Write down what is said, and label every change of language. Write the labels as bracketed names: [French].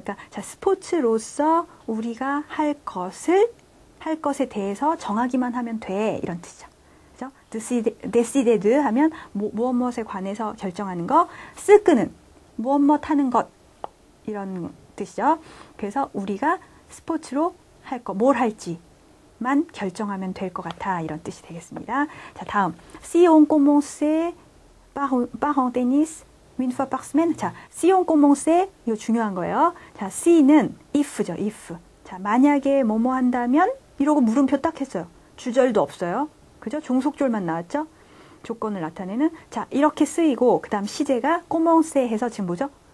[Korean] 그러니까 자, 스포츠로서 우리가 할 것에 대해서 정하기만 하면 돼. 이런 뜻이죠. 그죠? decided 하면 무엇무엇에 관해서 결정하는 거. 스크는 무엇무엇 하는 것. 이런 뜻이죠. 그래서 우리가 스포츠로 할 거, 뭘 할지만 결정하면 될 것 같아. 이런 뜻이 되겠습니다. 자, 다음. [French] si on commence par un tennis une fois par semaine. [Korean] 자, [French] si on commence [Korean] 이거 중요한 거예요. 자, si는 if죠. if. 자, 만약에 뭐뭐 한다면 이러고 물음표 딱 했어요. 주절도 없어요. 그죠? 종속절만 나왔죠? 조건을 나타내는. 자, 이렇게 쓰이고 그다음 시제가 commence 해서 지금 뭐죠?